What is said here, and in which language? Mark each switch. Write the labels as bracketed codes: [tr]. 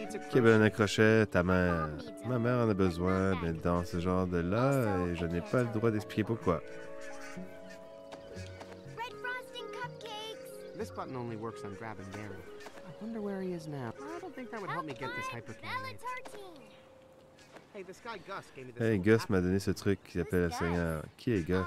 [fr] Qui a besoin d'un crochet? Ta mère. Ma mère en a besoin, mais dans ce genre de là, et je n'ai pas le droit d'expliquer pourquoi. [en] Red frosting cupcakes! This button only works on Grab and Gary. I wonder where he is now. I don't think that would help me get this hypercannon. Hey, this guy Gus gave me this. [fr] Hey, Gus m'a donné ce truc qui appelle le Seigneur. Qui est Gus?